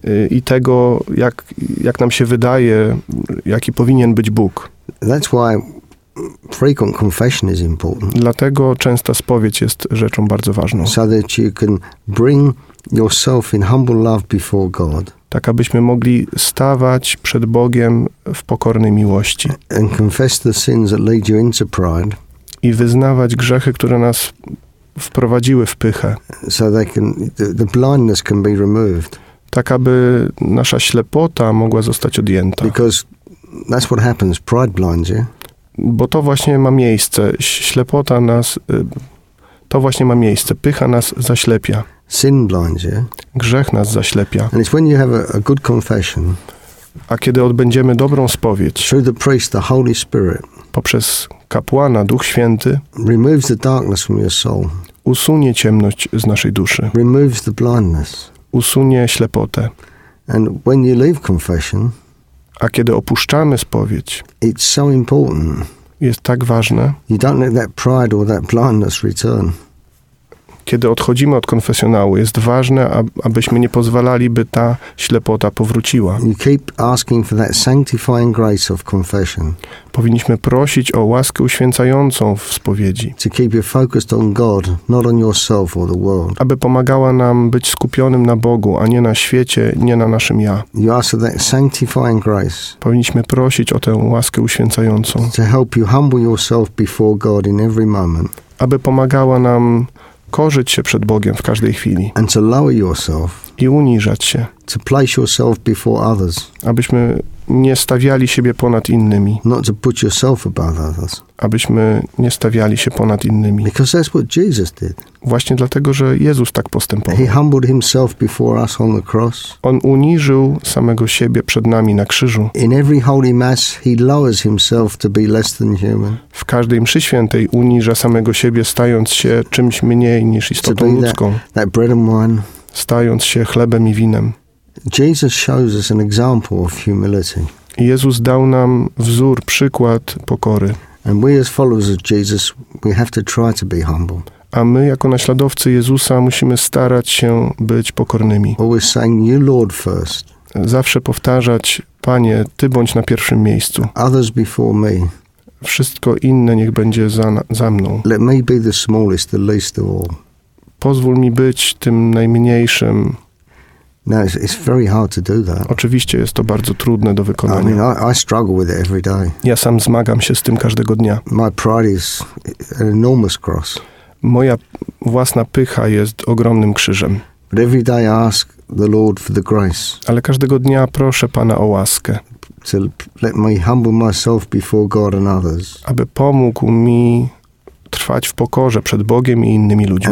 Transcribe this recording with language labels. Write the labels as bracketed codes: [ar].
[pl] I tego, jak nam się wydaje, jaki powinien być Bóg. [en] That's why frequent confession is important. [pl] Dlatego częsta spowiedź jest rzeczą bardzo ważną. [en] So that you can bring yourself in humble love before God. [pl] Tak, abyśmy mogli stawać przed Bogiem w pokornej miłości. [en] And confess the sins that lead you into pride. [pl] I wyznawać grzechy, które nas wprowadziły w pychę. [en] So they can, the blindness can be removed. [pl] Tak, aby nasza ślepota mogła zostać odjęta. [en] Because that's what happens. Pride blinds you. [pl] bo to właśnie ma miejsce. Ślepota nas, to właśnie ma miejsce. Pycha nas zaślepia. [en] Sin blinds, yeah? [pl] Grzech nas zaślepia. [en] And it's when you have a good confession. [pl] A kiedy odbędziemy dobrą spowiedź. [en] Through the priest, the Holy Spirit. [pl] Poprzez kapłana, Duch Święty. [en] Removes the darkness from your soul. [pl] Usunie ciemność z naszej duszy. [en] Removes the blindness. [pl] Usunie ślepotę. [en] And when you leave confession. [pl] A kiedy opuszczamy spowiedź. [en] It's so important. [pl] Jest tak ważne. [en] You don't let that pride or that blindness return. [pl] Kiedy odchodzimy od konfesjonału, jest ważne, abyśmy nie pozwalali, by ta ślepota powróciła. [en] You keep asking for that sanctifying grace of confession. [pl] Powinniśmy prosić o łaskę uświęcającą w spowiedzi. [en] To keep you focused on God, not on yourself or the world. [pl] Aby pomagała nam być skupionym na Bogu, a nie na świecie, nie na naszym ja. [en] You ask for that sanctifying grace. [pl] Powinniśmy prosić o tę łaskę uświęcającą. [en] To help you humble yourself before God in every moment. [pl] Aby pomagała nam korzyć się przed Bogiem w każdej chwili. [en] And to lower yourself, [pl] i uniżać się. [en] To place yourself before others, [pl] abyśmy nie stawiali siebie ponad innymi. [en] Not to put yourself above others, [pl] abyśmy nie stawiali się ponad innymi. [en] Because that's what Jesus did. [pl] Właśnie dlatego, że Jezus tak postępował. [en] He humbled himself before us on the cross. [pl] On uniżył samego siebie przed nami na krzyżu. [en] In every holy mass, he lowers himself to be less than human. [pl] W każdej mszy świętej uniża samego siebie, stając się czymś mniej niż istotą [en] to be [pl] ludzką. [en] That bread and wine. [pl] Stając się chlebem i winem. [en] Jesus shows us an example of humility. [pl] Jezus dał nam wzór, przykład pokory. [en] And we as followers of Jesus, we have to try to be humble. [pl] A my jako naśladowcy Jezusa musimy starać się być pokornymi. [en] Always saying, you Lord first. [pl] Zawsze powtarzać, Panie, Ty bądź na pierwszym miejscu. [en] Others before me. [pl] Wszystko inne niech będzie za mną. [en] Let me be the smallest, the least of all. [pl] Pozwól mi być tym najmniejszym. [en] No, it's very hard to do that. [pl] Oczywiście jest to bardzo trudne do wykonania. [en] I mean, I struggle with it every day. [pl] Ja sam zmagam się z tym każdego dnia. [en] My pride is an enormous cross. [pl] Moja własna pycha jest ogromnym krzyżem. [en] But every day I ask the Lord for the grace. [pl] Ale każdego dnia proszę Pana o łaskę. [en] To let me humble myself before God and others. [pl] Aby pomógł mi trwać w pokorze przed Bogiem i innymi ludźmi.